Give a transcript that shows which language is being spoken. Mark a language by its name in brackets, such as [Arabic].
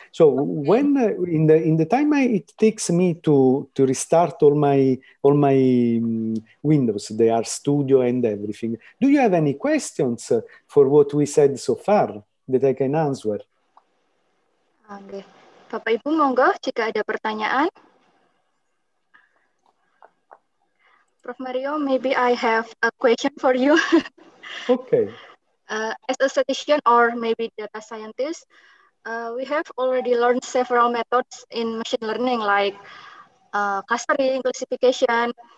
[English] So when in the time it takes me to restart all my Windows, the R Studio and everything. Do you have any questions for what we said so far that I can answer? Okay. [Indonesian] Bapak Ibu monggo jika ada pertanyaan. [English] Prof. Mario, maybe I have a question for you. Okay. As a statistician or maybe data scientist, we have already learned several methods in machine learning like clustering, classification.